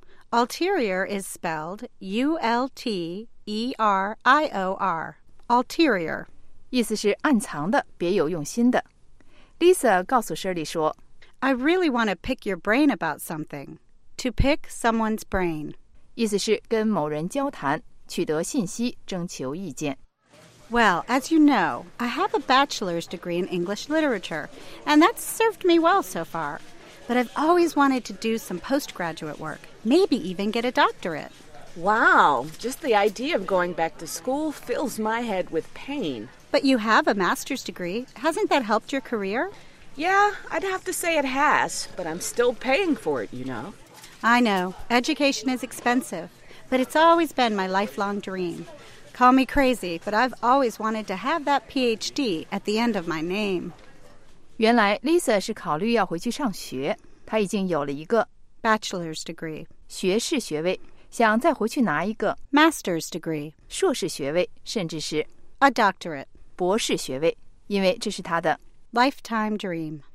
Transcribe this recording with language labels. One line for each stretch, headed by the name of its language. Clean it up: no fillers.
English: Ulterior is spelled U-L-T-E-R-I-O-R Ulterior
Chinese: 意思是暗藏的别有用心的 Lisa 告诉 Shirley 说
English: I really want to pick your brain about something To pick someone's brain
Chinese: 意思是跟某人交谈，取得信息，征求意见。
English: Well, as you know, I have a bachelor's degree in English literature, and that's served me well so far. But I've always wanted to do some postgraduate work, maybe even get a doctorate. Wow, just the idea of going back to school fills my head with pain. But you have a master's degree. Hasn't that helped your career? Yeah, I'd have to say it has, but I'm still paying for it, you know. I know, education is expensive, but it's always been my lifelong dream. Call me crazy, but I've always wanted to have that PhD at the end of my name.
Chinese: 原来 Lisa 是考虑要回去上学，她已经有了一个
English: Bachelor's degree,
Chinese: 学士学位，想再回去拿一个
English: Master's degree,
Chinese: 硕士学位，甚至是
English: A doctorate,
Chinese: 博士学位，因为这是她的
English: Lifetime dream,